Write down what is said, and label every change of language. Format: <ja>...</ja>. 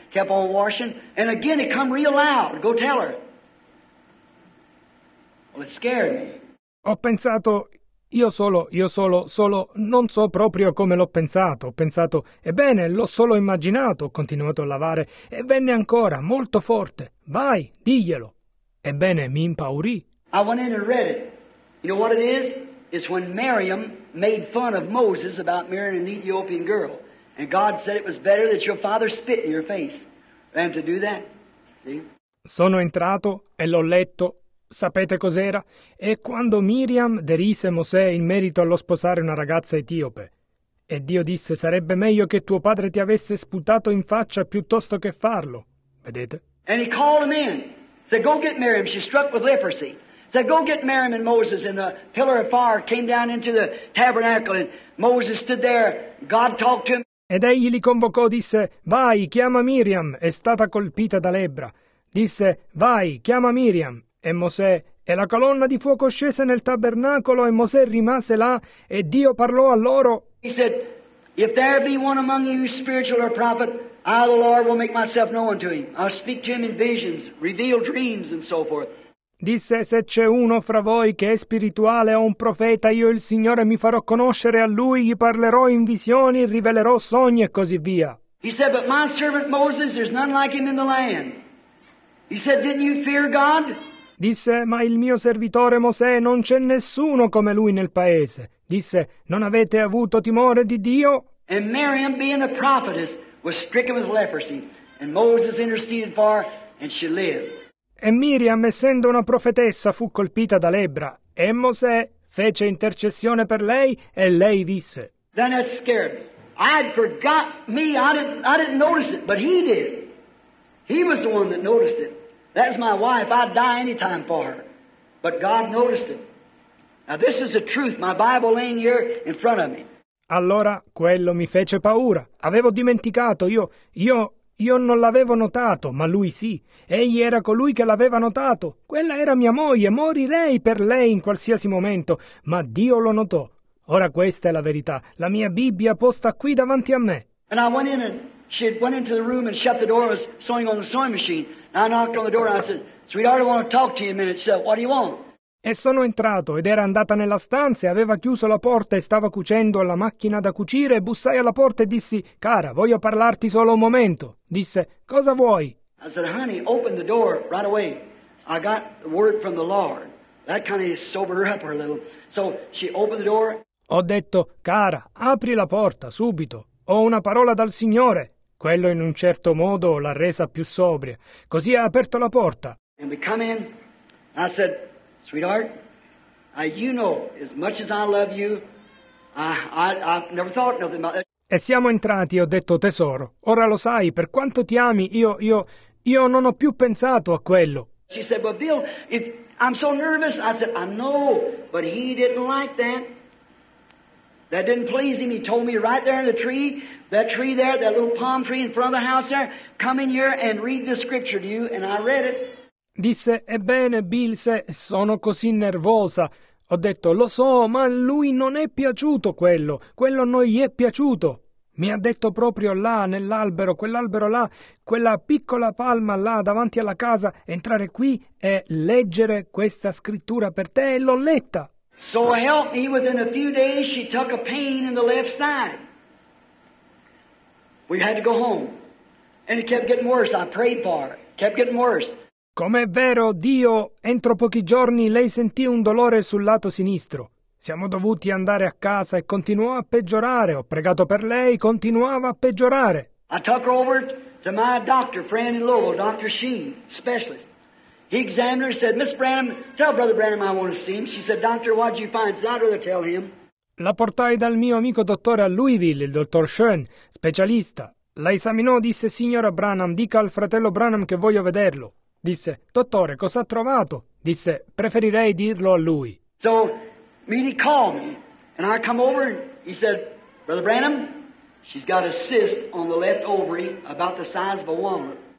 <en>Kept on washing and again it come real loud. Go tell her. Well, it scared me.</en> <it>Ho pensato, io solo, non so proprio come l'ho pensato. Ho pensato, ebbene, l'ho solo immaginato, ho continuato a lavare, e venne ancora, molto forte. Vai, diglielo. Ebbene, mi impaurì.</it> <en>I went in and read it. You know what it is? It's when Miriam made fun of Moses about marrying an Ethiopian girl. And God said it was better that your father spit in your face than to do that. See?</en> <it>Sono entrato e l'ho letto. Sapete cos'era? È quando Miriam derise Mosè in merito allo sposare una ragazza etiope. E Dio disse, sarebbe meglio che tuo padre ti avesse sputato in faccia piuttosto che farlo. Vedete?</it> <en>And he called him in. Said, go get Miriam. She's struck with leprosy. Said, go get Miriam and Moses. And the pillar of fire came down into the tabernacle. And Moses stood there. God talked to him.</en> <it>Ed egli li convocò, disse, vai, chiama Miriam. È stata colpita da lebbra. Disse, vai, chiama Miriam. E Mosè, e la colonna di fuoco scese nel tabernacolo e Mosè rimase là e Dio parlò a loro.</it> <en>He said, if there be one among you spiritual or prophet, I the Lord will make myself known to him. I'll speak to him in visions, reveal dreams and so forth.</en> <it>Disse, se c'è uno fra voi che è spirituale o un profeta, io il Signore mi farò conoscere a lui, gli parlerò in visioni, rivelerò sogni e così via.</it> <en>He said, but my servant Moses, there's none like him in the land. He said, didn't you fear God?</en> <it>Disse, ma il mio servitore Mosè, non c'è nessuno come lui nel paese. Disse, non avete avuto timore di Dio?</it> <en>And Miriam, being a prophetess, was stricken with leprosy, and Moses interceded for her, and she lived.</en> <it>E Miriam, essendo una profetessa, fu colpita da lebbra, e Mosè fece intercessione per lei, e lei visse.</it> <en>Then that scared me. I'd forgot me, I didn't notice it, but he did. He was the one that noticed it. That's my wife. I'd die any time for her. But God noticed it. Now this is the truth, my Bible laying here in front of me.</en> <it>Allora quello mi fece paura. Avevo dimenticato, io non l'avevo notato, ma lui sì. Egli era colui che l'aveva notato. Quella era mia moglie, morirei per lei in qualsiasi momento, ma Dio lo notò. Ora questa è la verità. La mia Bibbia posta qui davanti a me.</it> <en>And I went in and she went into the room and shut the door and was sewing on the sewing machine. I knocked on the door and I said, sweetheart, I want to talk to you a minute. She said, what do you want?</en> <it>E sono entrato ed era andata nella stanza e aveva chiuso la porta e stava cucendo alla macchina da cucire e bussai alla porta e dissi, cara, voglio parlarti solo un momento. Disse, cosa vuoi?</it> <en>I said, honey, open the door right away. I got the word from the Lord. That kind of sobered her up a little. So she opened the door.</en> <it>Ho detto, cara, apri la porta subito. ho una parola dal Signore. Quello in un certo modo l'ha resa più sobria. Così ha aperto la porta.</it> <en>And we come in, I said, sweetheart, you know, as much as I love you, I've never thought nothing about that.</en> <it>E siamo entrati, ho detto, tesoro, ora lo sai, per quanto ti ami, io non ho più pensato a quello.</it> <en>She said, well, Bill, if I'm so nervous, I said, I know, but he didn't like that. That didn't please him. He told me right there in the tree, that tree there, that little palm tree in front of the house there, come in here and read the scripture to you, and I read it.</en> <it>Disse, ebbene, Bill, se sono così nervosa. Ho detto, lo so, ma a lui non è piaciuto quello. Quello non gli è piaciuto. Mi ha detto proprio là, nell'albero, quell'albero là, quella piccola palma là davanti alla casa, entrare qui e leggere questa scrittura per te, e l'ho letta.</it> <en>So help me, within a few days she took a pain in the left side. We had to go home. And it kept getting worse, I prayed for it. Kept getting worse.</en> <it>Com'è vero, Dio, entro pochi giorni lei sentì un dolore sul lato sinistro. Siamo dovuti andare a casa e continuò a peggiorare. Ho pregato per lei, continuava a peggiorare.</it> <en>I took her over to my doctor, friend in Louisville, Dr. Sheen, specialist. He examined her and said, Miss Branham, tell Brother Branham I want to see him. She said, Doctor, what'd you find? I'd rather tell him.</en> <it>La portai dal mio amico dottore a Louisville, il dottor Sheen, specialista. La esaminò, disse, signora Branham, dica al fratello Branham che voglio vederlo. Disse, dottore, cosa ha trovato? Disse, preferirei dirlo a lui.</it> <en>So, Meany called me, and I come over, and he said, Brother Branham, she's got a cyst on the left ovary about the size of a walnut.</en>